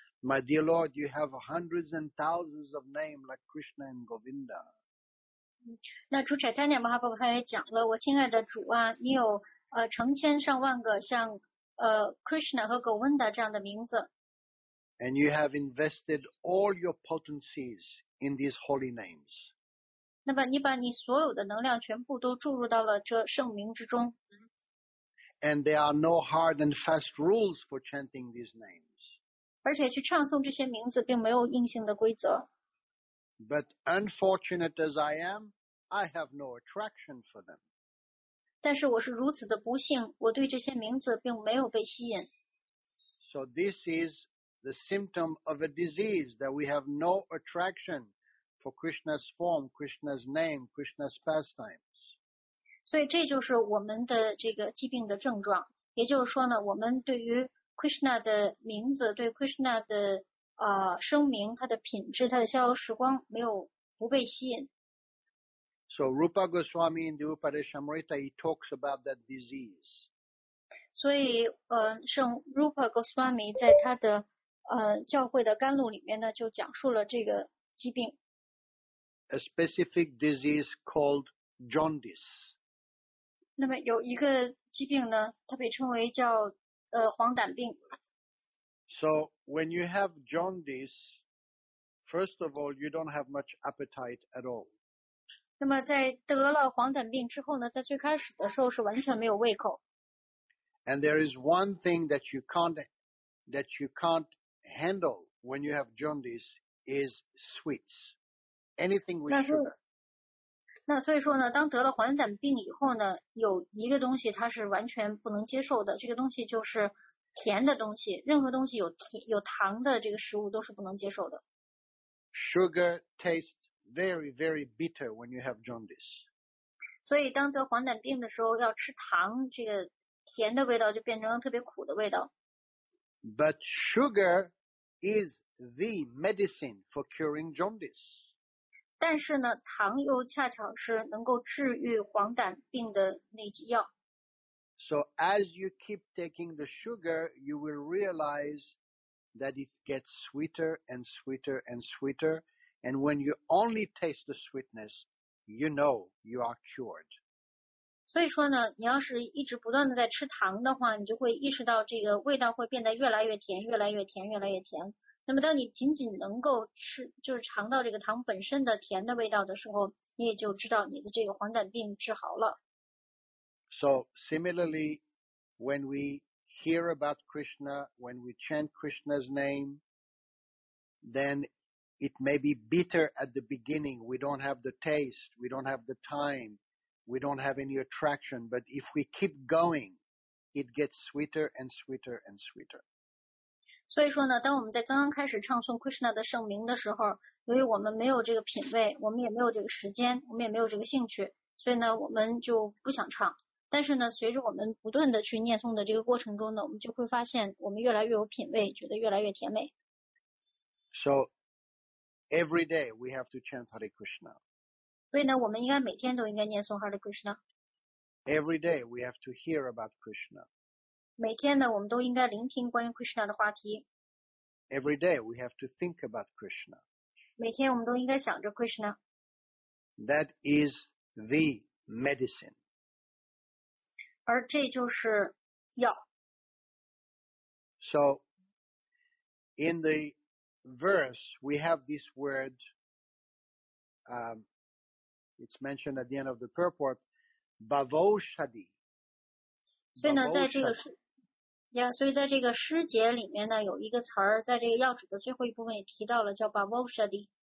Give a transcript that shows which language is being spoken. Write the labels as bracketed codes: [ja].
[en] My dear Lord, you have hundreds and thousands of names like Krishna and Govinda. [zh] 那主持人马哈伯伯他也讲了，我亲爱的主啊，你有成千上万个像Krishna 和 Govinda 这样的名字。 [en] And you have invested all your potencies in these holy names. [zh] 那么你把你所有的能量全部都注入到了这圣名之中。 [en] And there are no hard and fast rules for chanting these names. [zh] 而且去唱诵这些名字并没有硬性的规则。 [en] But unfortunate as I am, I have no attraction for them. [zh] 但是我是如此的不幸，我对这些名字并没有被吸引。 [en] So this is the symptom of a disease that we have no attraction for Krishna's form, Krishna's name, Krishna's pastimes. [zh] 所以这就是我们的这个疾病的症状，也就是说呢，我们对于Krishna 的名字，对 Krishna 的声名，他的品质，他的逍遥时光，没有不被吸引。 [en] So Rupa Goswami in the Upadeshamrita, he talks about that disease. [zh] 所以，圣 Rupa Goswami 在他的教会的甘露里面呢，就讲述了这个疾病。 [en] A specific disease called jaundice. [zh] 那么有一个疾病呢，它被称为叫黄疸病。 [en] So when you have jaundice, first of all, you don't have much appetite at all. [zh] 那么在得了黄疸病之后呢，在最开始的时候是完全没有胃口。 [en] And there is one thing that you can't handle when you have jaundice is sweets. Anything with sugar. [zh] 那所以说呢，当得了黄疸病以后呢，有一个东西它是完全不能接受的，这个东西就是甜的东西，任何东西有甜有糖的这个食物都是不能接受的。 [en] Sugar tastes very, very bitter when you have jaundice. [zh] 所以当得黄疸病的时候要吃糖，这个甜的味道就变成了特别苦的味道。 [en] But sugar is the medicine for curing jaundice. [zh] 但是呢，糖又恰巧是能够治愈黄疸病的那剂药。 [en] So as you keep taking the sugar, you will realize that it gets sweeter and sweeter and sweeter. And when you only taste the sweetness, you know you are cured. [zh] 所以说呢，你要是一直不断的在吃糖的话，你就会意识到这个味道会变得越来越甜，越来越甜，越来越甜。那么当你仅仅能够吃，就是尝到这个糖本身的甜的味道的时候，你也就知道你的这个黄疸病治好了。 [en] So similarly, when we hear about Krishna, when we chant Krishna's name, then it may be bitter at the beginning. We don't have the taste, we don't have the time, we don't have any attraction. But if we keep going, it gets sweeter and sweeter and sweeter. [zh] 所以说呢，当我们在刚刚开始唱诵 Krishna 的圣名的时候，由于我们没有这个品味，我们也没有这个时间，我们也没有这个兴趣，所以呢，我们就不想唱。但是呢，随着我们不断的去念诵的这个过程中呢，我们就会发现我们越来越有品味，觉得越来越甜美。 [en] So every day we have to chant Hare Krishna. [zh] 所以呢，我们应该每天都应该念诵 Hare Krishna. [en] Every day we have to hear about Krishna. [zh] 每天呢，我们都应该聆听关于 Krishna 的话题。 [en] Every day we have to think about Krishna. [zh] 每天我们都应该想着 Krishna. [en] That is the medicine. [zh] 而这就是药。 [en] So, in the verse, we have this word, it's mentioned at the end of the purport, Bavoshadi. [zh] 所以呢，在这个所以在这个诗节里面呢，有一个词儿，在这个药旨的最后一部分也提到了，叫 Bavoshadi.